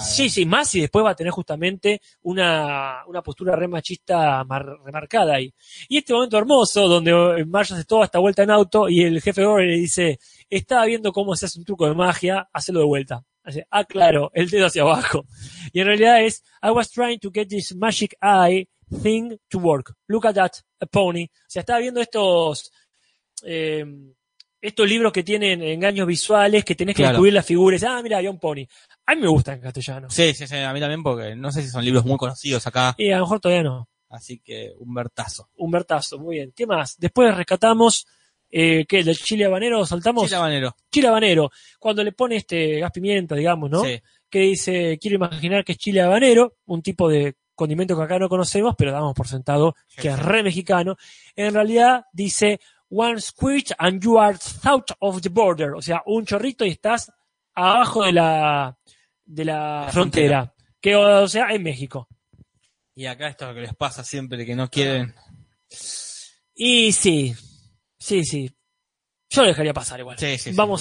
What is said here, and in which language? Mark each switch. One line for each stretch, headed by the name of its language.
Spanish: Sí, más si después va a tener justamente una postura re machista remarcada ahí. Y este momento hermoso, donde Marge hace toda esta vuelta en auto, y el jefe Gore le dice, estaba viendo cómo se hace un truco de magia, hacelo de vuelta. Así, ah, claro, el dedo hacia abajo.
English: Y en realidad es, I was trying to get this magic eye thing to work. Look at that, a pony.
Spanish: O sea, estaba viendo estos estos libros que tienen engaños visuales, que tenés que descubrir las figuras. Ah, mira, había un pony. A mí me gusta en castellano. Sí, sí, sí, a mí también, porque no sé si son libros muy conocidos acá. Y a lo mejor todavía no. Así que, Humbertazo. Humbertazo, muy bien. ¿Qué más? Después rescatamos, ¿qué? ¿Del chile habanero saltamos? Chile habanero. Chile habanero. Cuando le pone este gas pimienta, digamos, ¿no? Sí. Que dice, quiero imaginar que es chile habanero, un tipo de condimento que acá no conocemos, pero damos por sentado que es re mexicano.
English: En realidad dice, one squish and you are south of the border.
Spanish: O sea, un chorrito y estás abajo de la frontera. Que, o sea, en México. Y acá esto es lo que les pasa siempre, que no quieren. Y sí. Sí, sí. Yo lo dejaría pasar igual. Sí, sí. Vamos